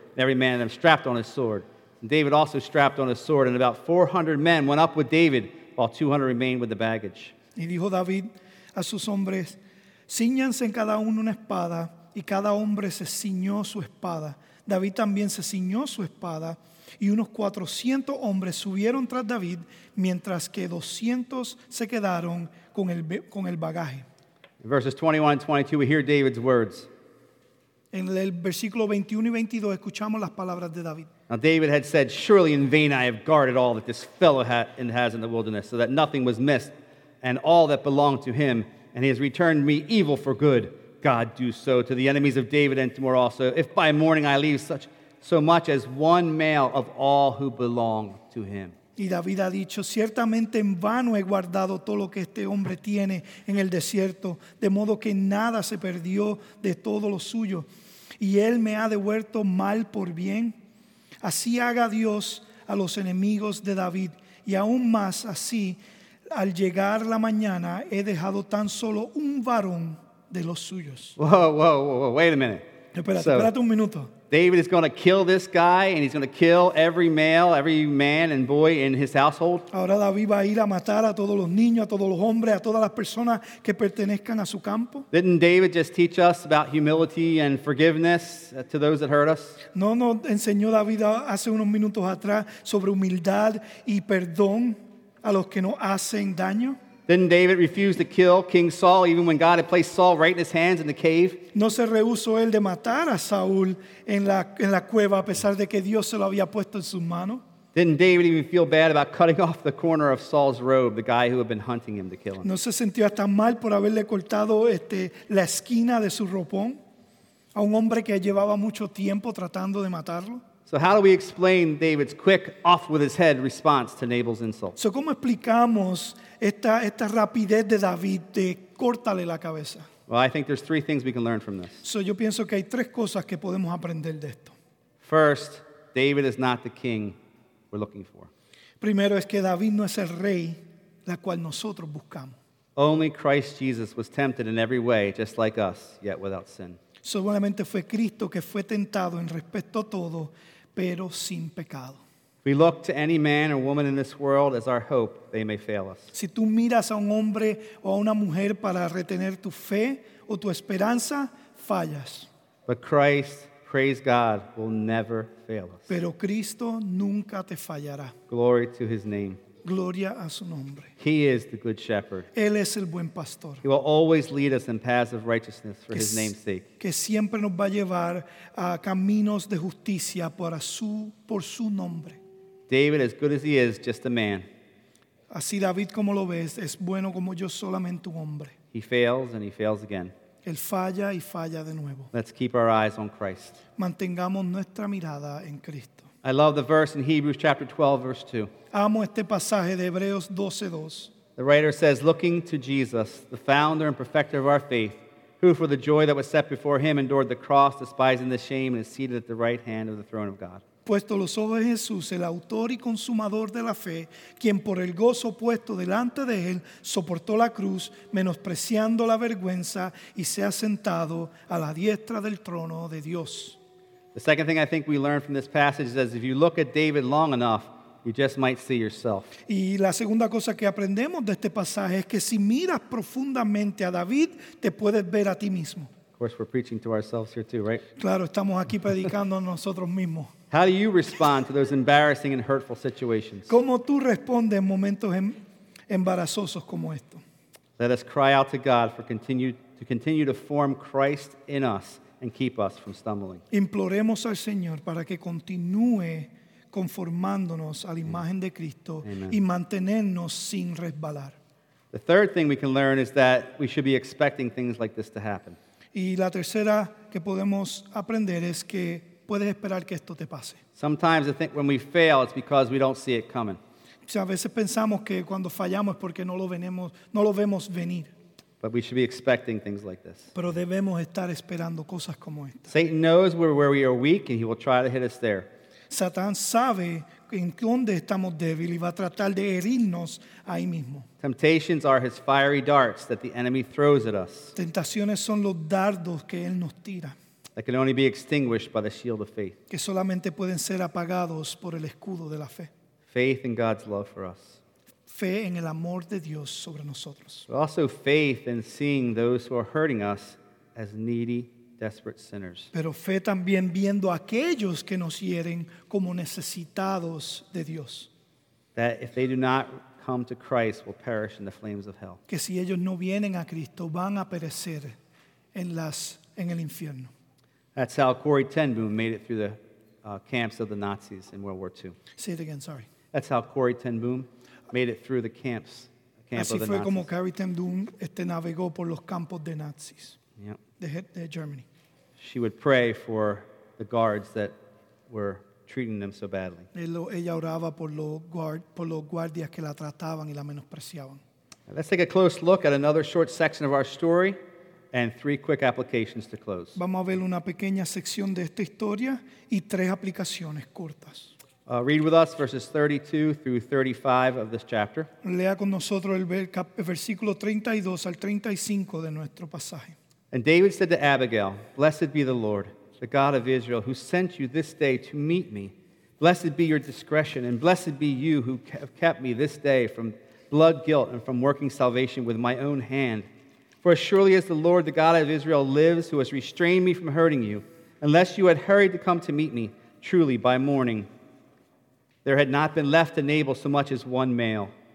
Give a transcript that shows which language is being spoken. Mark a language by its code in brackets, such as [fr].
[en] And every man of them strapped on his sword. And David also strapped on his sword, and about 400 men went up with David, while 200 remained with the baggage. [es] Y dijo David a sus hombres, ciñanse en cada uno una espada, y cada hombre se ciñó su espada. David también se ciñó su espada, y unos 400 hombres subieron tras David, mientras que 200 se quedaron con el bagaje. [en] In verses 21 and 22, we hear David's words. [es] En el versículo 21 y 22, escuchamos las palabras de David. [en] Now David had said, surely in vain I have guarded all that this fellow has in the wilderness, so that nothing was missed, and all that belonged to him, and he has returned me evil for good. God do so to the enemies of David and to more also, if by morning I leave such so much as one male of all who belong to him. [es] Y David ha dicho, ciertamente en vano he guardado todo lo que este hombre tiene en el desierto, de modo que nada se perdió de todo lo suyo, y él me ha devuelto mal por bien. Así haga Dios a los enemigos de David, y aún más así, al llegar la mañana, he dejado tan solo un varón de los suyos. [en] Whoa, wait a minute. [es] Espérate un minuto. [en] David is going to kill this guy, and he's going to kill every male, every man and boy in his household. [es] Ahora David va a ir a matar a todos los niños, a todos los hombres, a todas las personas que pertenezcan a su campo. [en] Didn't David just teach us about humility and forgiveness to those that hurt us? [es] No, no, enseñó David hace unos minutos atrás sobre humildad y perdón a los que nos hacen daño. [en] Didn't David refuse to kill King Saul even when God had placed Saul right in his hands in the cave? [es] No se rehusó él de matar a Saúl en la cueva a pesar de que Dios se lo había puesto en sus manos. [en] Didn't David even feel bad about cutting off the corner of Saul's robe, the guy who had been hunting him to kill him? [es] No se sintió hasta mal por haberle cortado la esquina de su ropón a un hombre que llevaba mucho tiempo tratando de matarlo. [en] So how do we explain David's quick, off with his head response to Nabal's insult? [es] So ¿cómo explicamos esta rapidez de David de córtale la cabeza? [en] Well, I think there's three things we can learn from this. [es] So yo pienso que hay tres cosas que podemos aprender de esto. [en] First, David is not the king we're looking for. [es] Primero es que David no es el rey la cual nosotros buscamos. [en] Only Christ Jesus was tempted in every way, just like us, yet without sin. [es] Solamente fue Cristo que fue tentado en respecto a todo, pero sin pecado. [en] We look to any man or woman in this world as our hope they may fail us. [es] Si tú miras a un hombre o a una mujer para retener tu fe o tu esperanza, fallas. [en] But Christ, praise God, will never fail us. [es] Pero Cristo nunca te fallará. [en] Glory to his name. [es] Gloria a su nombre. [en] He is the good shepherd. [es] Él es el buen pastor. [en] He will always lead us in paths of righteousness for his name's sake. [es] Que siempre nos va a llevar a caminos de justicia por su nombre. [en] David, as good as he is, just a man. [es] Así David como lo ves, es bueno como yo solamente un hombre. [en] He fails and he fails again. [es] Él falla y falla de nuevo. [en] Let's keep our eyes on Christ. [es] Mantengamos nuestra mirada en Cristo. [en] I love the verse in Hebrews chapter 12, verse 2. [es] Amo este pasaje de Hebreos 12:2. [en] The writer says, looking to Jesus, the founder and perfecter of our faith, who for the joy that was set before him endured the cross, despising the shame, and is seated at the right hand of the throne of God. [es] Puesto los ojos en Jesús, el autor y consumador de la fe, quien por el gozo puesto delante de él, soportó la cruz, menospreciando la vergüenza, y se ha sentado a la diestra del trono de Dios. [en] The second thing I think we learn from this passage is that if you look at David long enough, you just might see yourself. [es] Y la segunda cosa que aprendemos de este pasaje es que si miras profundamente a David, te puedes ver a ti mismo. [en] Of course, we're preaching to ourselves here too, right? [es] Claro, estamos aquí predicando a nosotros mismos. [en] How do you respond to those embarrassing and hurtful situations? [es] ¿Cómo tú respondes en momentos embarazosos como esto? [en] Let us cry out to God for continue to form Christ in us and keep us from stumbling. [es] Imploremos al Señor para que continúe conformándonos a la imagen de Cristo. Amen. Y mantenernos sin resbalar. [en] The third thing we can learn is that we should be expecting things like this to happen. [es] Y la tercera que podemos aprender es que puedes esperar que esto te pase. [en] Sometimes I think when we fail, it's because we don't see it coming. [es] O sea, a veces pensamos que cuando fallamos es porque no lo vemos venir. [en] But we should be expecting things like this. [es] Pero debemos estar esperando cosas como esta. [en] Satan knows where we are weak, and he will try to hit us there. [es] Satán sabe en dónde estamos débiles y va a tratar de herirnos ahí mismo. [en] Temptations are his fiery darts that the enemy throws at us. [es] Tentaciones son los dardos que él nos tira. [en] That can only be extinguished by the shield of faith. [es] Que solamente pueden ser apagados por el escudo de la fe. [en] Faith in God's love for us. [es] Fe en el amor de Dios sobre nosotros. [en] But also faith in seeing those who are hurting us as needy, desperate sinners. [es] Pero fe también viendo a aquellos que nos hieren como necesitados de Dios. [en] That if they do not come to Christ, will perish in the flames of hell. [es] Que si ellos no vienen a Cristo, van a perecer en el infierno. [en] That's how Corrie Ten Boom made it through the camps of the Nazis in World War II. Say it again, sorry. That's how Corrie Ten Boom made it through the camps. [es] Así fue como Corrie Ten Boom navegó por los campos de Nazis. [en] Yep. [es] De Germany. [en] She would pray for the guards that were treating them so badly. [es] Ella oraba por los guardias que la trataban y la menospreciaban. [en] Let's take a close look at another short section of our story and three quick applications to close. [es] Vamos a ver una pequeña sección de esta historia y tres aplicaciones cortas. [en] Read with us verses 32 through 35 of this chapter. [es] Lea con nosotros el versículo 32 al 35 de nuestro pasaje. [en] And David said to Abigail, "Blessed be the Lord, the God of Israel, who sent you this day to meet me. Blessed be your discretion, and blessed be you who have kept me this day from blood guilt and from working salvation with my own hand. For as surely as the Lord, the God of Israel, lives, who has restrained me from hurting you, unless you had hurried to come to meet me, truly by morning, there had not been left to Nabal so much as one male."